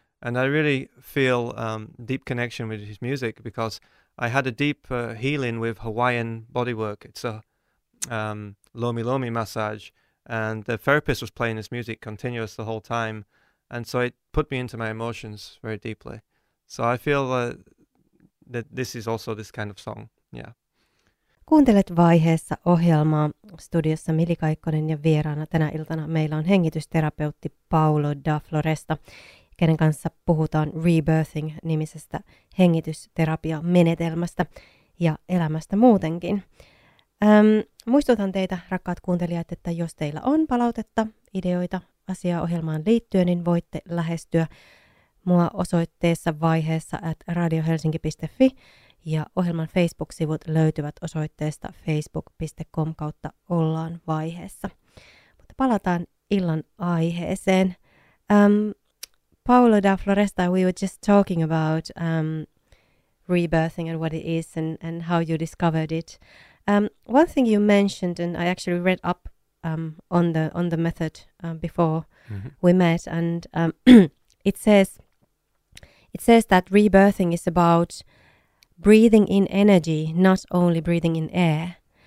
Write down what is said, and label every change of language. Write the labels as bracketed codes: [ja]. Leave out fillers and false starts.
[en] And I really feel deep connection with his music because I had a deep healing with Hawaiian bodywork. It's a Lomi Lomi massage. And the therapist was playing his music continuous the whole time. And so it put me into my emotions very deeply. So I feel that this is also this kind of song. Yeah. [fi] Kuuntelet vaiheessa ohjelmaa. Studiossa Mili Kaikkonen ja vieraana tänä iltana meillä on hengitysterapeutti Paolo da Floresta, kenen kanssa puhutaan Rebirthing-nimisestä hengitysterapiamenetelmästä ja elämästä muutenkin. Muistutan teitä, rakkaat kuuntelijat, että jos teillä on palautetta, ideoita asiaa ohjelmaan liittyen, niin voitte lähestyä mua osoitteessa vaiheessa @radiohelsinki.fi ja ohjelman Facebook-sivut löytyvät osoitteesta facebook.com/ollaanvaiheessa. Mutta palataan illan aiheeseen. [en] Paolo da Floresta, we were just talking about rebirthing and what it is and how you discovered it. One thing you mentioned, and I actually read up on the method before we met, and it says that rebirthing is about breathing in energy, not only breathing in air.